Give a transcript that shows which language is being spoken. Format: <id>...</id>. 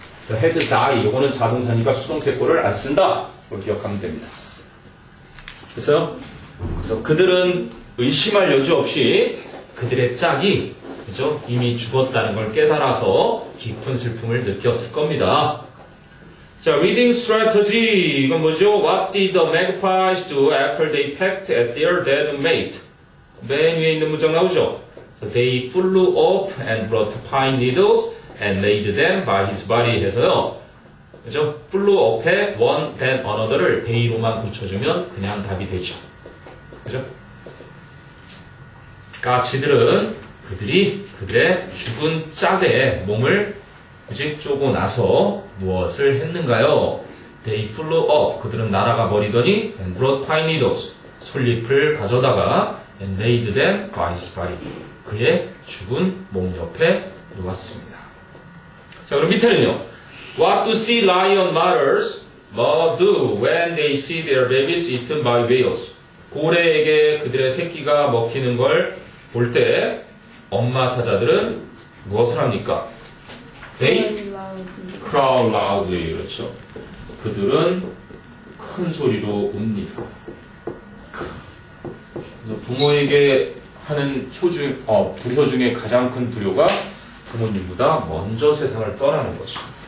<en>had die,</en> <ko>이거는 자동사니까 수동태고를 안 쓴다. 이걸 기억하면 됩니다. 그래서 그들은 의심할 여지 없이 그들의 짝이, 그죠? 이미 죽었다는 걸 깨달아서 깊은 슬픔을 느꼈을 겁니다. 자,</ko> <en>reading strategy.</en> <ko>이건 뭐죠?</ko> <en>What did the magpies do after they pecked at their dead mate?</en> <ko>맨 위에 있는 문장 나오죠?</ko> <en>So they flew off and brought pine needles and laid them by his body</en> <ko>해서요. 그죠? flew off에</ko> <en>one, then another</en> <ko>를 they로만 붙여주면 그냥 답이 되죠. 그죠? 까치들은 그들이 그들의 죽은 짝의 몸을 쪼고 나서 무엇을 했는가요?</ko> <en>They flew up.</en> <ko>그들은 날아가 버리더니</ko> <en>and brought pine needles.</en> <ko>솔잎을 가져다가</ko> <en>and laid them by his body.</en> <ko>그의 죽은 몸 옆에 놓았습니다. 자, 그럼 밑에는요.</ko> <en>What do sea lion mothers do when they see their babies eaten by whales?</en> <ko>고래에게 그들의 새끼가 먹히는 걸 볼 때 엄마 사자들은 무엇을 합니까?</ko> <en>They cry loudly.</en> <ko>그렇죠. 그들은 큰 소리로 웁니다. 그래서 부모에게 하는 두려 중에 가장 큰 두려가 부모님보다 먼저 세상을 떠나는 거죠.</ko>